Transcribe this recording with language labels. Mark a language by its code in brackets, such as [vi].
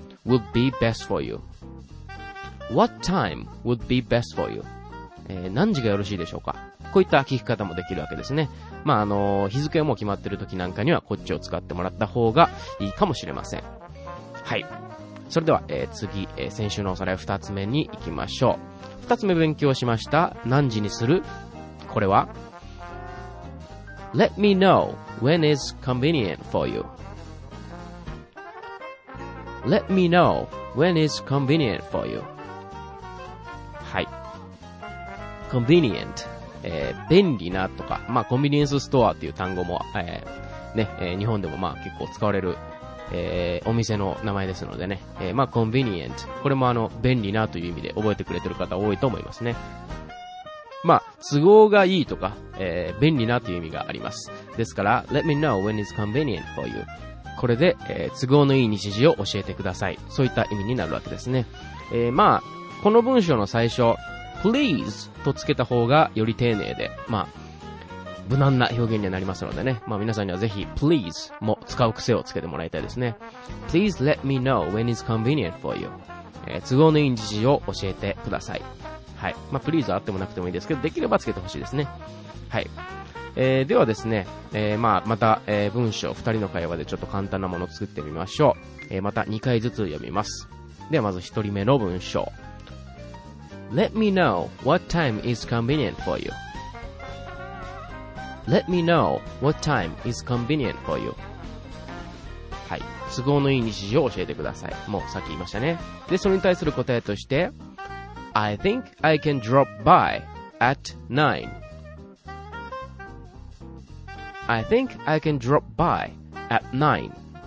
[en] Would be best for you. What time would be best for you?、 [ja] 何時がよろしいでしょうか。こういった聞き方もできるわけですね。まあ日付も決まってる時なんかにはこっちを使ってもらった方がいいかもしれません。はい。それでは、次、先週のおさらい二つ目に行きましょう。二つ目勉強しました。何時にする。これは [en] Let me know when is convenient for you. Let me know when is convenient for you. [ja] はい。 convenient、便利なとか、まあコンビニエンスストアっていう単語も、日本でもまあ結構使われる、お店の名前ですのでね。まあ convenient、これも便利なという意味で覚えてくれてる方多いと思いますね。まあ都合がいいとか、便利なという意味があります。ですから、 [en] let me know when is convenient for you. [ja] これで、都合のいい日時を教えてください、そういった意味になるわけですね。まあこの文章の最初 please とつけた方がより丁寧で、まあ無難な表現にはなりますのでね、まあ皆さんにはぜひ please も使う癖をつけてもらいたいですね。 [en] Please let me know when it's convenient for you、 [ja] 都合のいい日時を教えてください。はい、まあ please はあってもなくてもいいですけど、できればつけてほしいですね。はい、ではですね、まあまた、文章二人の会話でちょっと簡単なものを作ってみましょう。また2回ずつ読みます。ではまず一人目の文章。 [en] Let me know what time is convenient for you. Let me know what time is convenient for you. [ja] はい、都合のいい日時を教えてください。もうさっき言いましたね。でそれに対する答えとして、 [en] I think I can drop by at 9. I think I can drop by at 9.